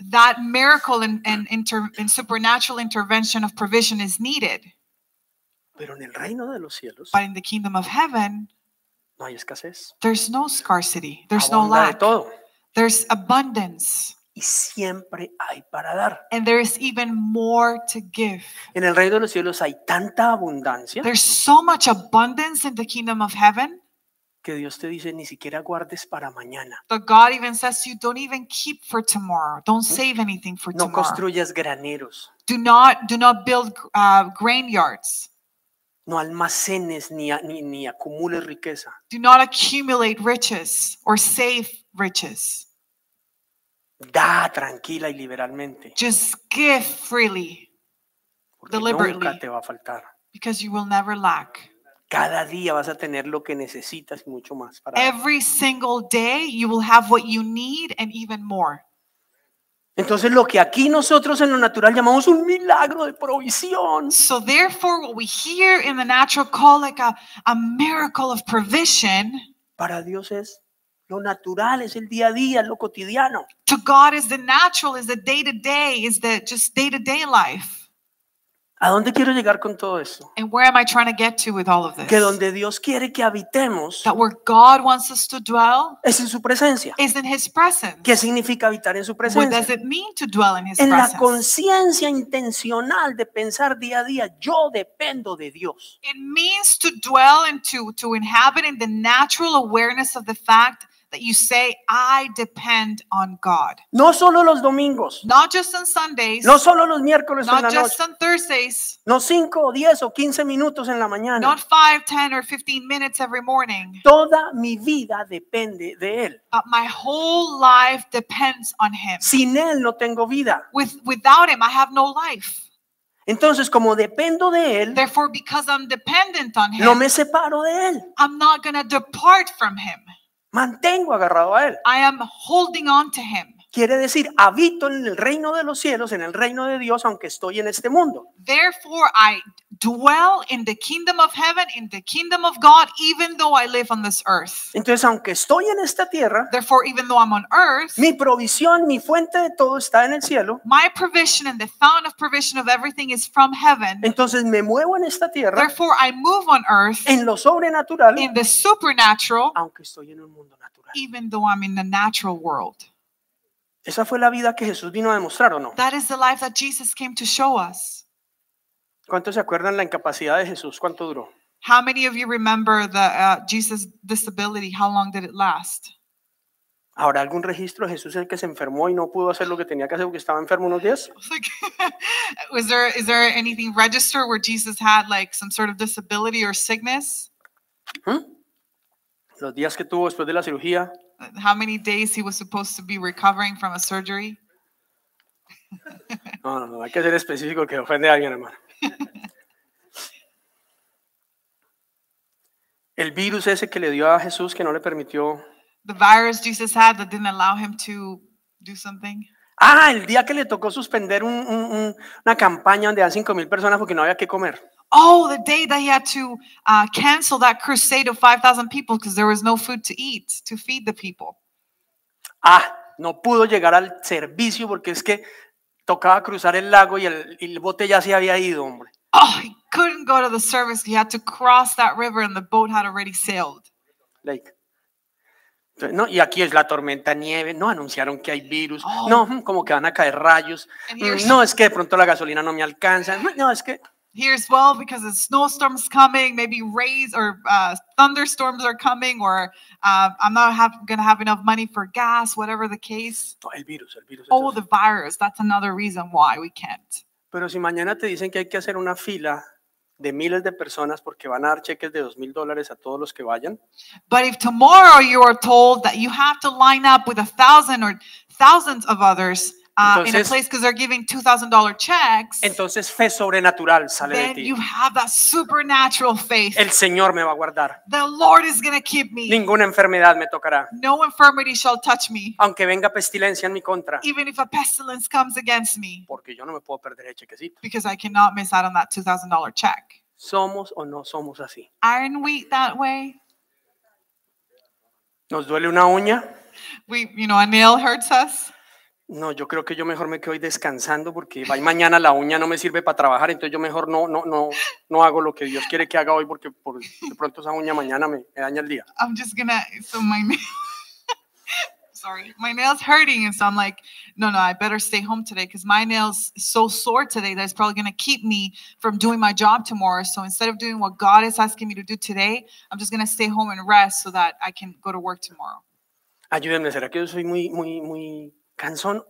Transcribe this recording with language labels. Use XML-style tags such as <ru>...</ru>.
<en>That miracle and supernatural intervention of provision is needed.</en> <es>Pero en el reino de los cielos.</es> <en>But in the kingdom of heaven.</en> <es>No hay escasez.</es> <en>There's no scarcity. There's</en> <es>abunda</es> <en>no lack.</en> <es>De todo.</es> <en>There's abundance.</en> <es>Y siempre hay para dar.</es> <en>And there is even more to give.</en> <es>En el reino de los cielos hay tanta abundancia.</es> <en>There's so much abundance in the kingdom of heaven.</en> <es>Que Dios te dice ni siquiera guardes para mañana.</es> <en>But God even says to you, don't even keep for tomorrow. Don't save anything for</en> <es>no</es> <en>tomorrow.</en> <es>No construyas graneros.</es> <en>Do not build grain yards.</en> <es>No almacenes ni acumules riqueza.</es> <en>Do not accumulate riches or save riches.</en> <es>Da tranquila y liberalmente.</es> <en>Just give freely,</en> <es>porque</es> <en>deliberately.</en> <es>Nunca te va a faltar.</es> <en>Because you will never lack.</en> <es>Cada día vas a tener lo que necesitas y mucho más. Para</es> <en>every single day you will have what you need and even more.</en> <es>Entonces lo que aquí nosotros en lo natural llamamos un milagro de provisión.</es> <en>So therefore what we hear in the natural call like a miracle of provision.</en> <es>Para Dios es lo natural, es el día a día, lo cotidiano.</es> <en>To God is the natural, is the day-to-day, is the just day-to-day life.</en> <es>¿A dónde quiero llegar con todo esto?</es> <en>And where am I trying to get to with all of this?</en> <es>Que donde Dios quiere que habitemos.</es> <en>That where God wants us to dwell.</en> <es>Es en su presencia.</es> <en>Is in his presence.</en> <es>¿Qué significa habitar en su presencia?</es> <en>What does it mean to dwell in his presence?</en> <es>En la conciencia intencional de pensar día a día, yo dependo de Dios.</es> <en>It means to dwell and to inhabit in the natural awareness of the fact that you say, I depend on God.</en> <es>No solo los domingos.</es> <en>Not just on Sundays.</en> <es>No solo los miércoles en la noche.</es> <en>Not just on Thursdays. No 5, 10, or 15 minutes</en> <es>en la mañana.</es> <en>Not 5, 10, or 15 minutes every morning.</en> <es>Toda mi vida depende de él.</es> <en>But my whole life depends on him.</en> <es>Sin él no tengo vida.</es> <en>Without him, I have no life.</en> <es>Entonces, como dependo de él,</es> <en>therefore, because I'm dependent on him,</en> <es>no me separo de él.</es> <en>I'm not going to depart from him.</en> <es>Mantengo agarrado a él.</es> <en>I am holding on to him.</en> <es>Quiere decir, habito en el reino de los cielos, en el reino de Dios, aunque estoy en este mundo.</es> <en>Therefore, I dwell in the kingdom of heaven, in the kingdom of God, even though I live on this earth.</en> <es>Entonces, aunque estoy en esta tierra,</es> <en>therefore, even though I'm on earth,</en> <es>mi provisión, mi fuente de todo está en el cielo.</es> <en>My provision and the fountain of provision of everything is from heaven.</en> <es>Entonces, me muevo en esta tierra,</es> <en>therefore, I move on earth,</en> <es>en lo sobrenatural,</es> <en>in the supernatural,</en> <es>aunque estoy en un mundo natural,</es> <en>even though I'm in the natural world.</en> <es>Esa fue la vida que Jesús vino a demostrar, ¿o no?</es> <en>That is the life that Jesus came to show us.</en> <es>¿Cuántos se acuerdan la incapacidad de Jesús? ¿Cuánto duró?</es> <en>How many of you remember the Jesus' disability? How long did it last?</en> <es>¿Habrá algún registro de Jesús el que se enfermó y no pudo hacer lo que tenía que hacer porque estaba enfermo unos días?</es> <en>Is there anything registered where Jesus had like some sort of disability or sickness? ¿Hm?</en> <es>los días que tuvo después de la cirugía.</es> <en>How many days he was supposed to be recovering from a surgery?</en> <es>No, no, no, hay que ser específico que ofende a alguien, hermano. El virus ese que le dio a Jesús que no le permitió.</es> <en>The virus Jesus had that didn't allow him to do something.</en> <es>Ah, el día que le tocó suspender una campaña donde había 5,000 personas porque no había qué comer.</es> <en>Oh, the day that he had to cancel that crusade of 5,000 people because there was no food to eat, to feed the people.</en> <es>Ah, no pudo llegar al servicio porque es que tocaba cruzar el lago y el bote ya se había ido, hombre.</es> <en>Oh, he couldn't go to the service. He had to cross that river and the boat had already sailed. Lake.</en> <es>Entonces, no, y aquí es la tormenta, nieve. No anunciaron que hay virus. Oh. No, como que van a caer rayos. No, es que de pronto la gasolina no me alcanza. No, es que...</es> <en>Here's well because a snowstorm's coming, maybe rays or thunderstorms are coming, or I'm not gonna have enough money for gas, whatever the case.</en> <es>Oh, el virus.</es> <en>Oh, the virus. That's another reason why we can't.</en> <es>Pero si mañana te dicen que hay que hacer una fila de miles de personas porque van a dar cheques de $2,000 a todos los que vayan.</es> <en>But if tomorrow you are told that you have to line up with 1,000 or thousands of others.</en> <es>Entonces,</es> <en>in a place because they're giving $2,000 checks.</en> <es>Entonces fe sobrenatural sale de ti.</es> <en>Then you have that supernatural faith.</en> <es>El Señor me va a guardar.</es> <en>The Lord is going to keep me.</en> <es>Ninguna enfermedad me tocará.</es> <en>No infirmity shall touch me.</en> <es>Aunque venga pestilencia en mi contra.</es> <en>Even if a pestilence comes against me.</en> <es>Porque yo no me puedo perder el chequecito.</es> <en>Because I cannot miss out on that $2,000 check.</en> <es>¿Somos o no somos así?</es> <en>Aren't we that way?</en> <es>¿Nos duele una uña?</es> <en>A nail hurts us.</en> <es>No, yo creo que yo mejor me quedo descansando porque mañana la uña no me sirve para trabajar, entonces yo mejor no hago lo que Dios quiere que haga hoy porque de pronto esa uña mañana me daña el día.</es> <en>I'm just gonna, so my my nail's hurting, and so I'm like, no, I better stay home today because my nail's so sore today that it's probably gonna keep me from doing my job tomorrow. So instead of doing what God is asking me to do today, I'm just gonna stay home and rest so that I can go to work tomorrow.</en> <es>Ayúdenme, ¿será que yo soy muy canzón?</es>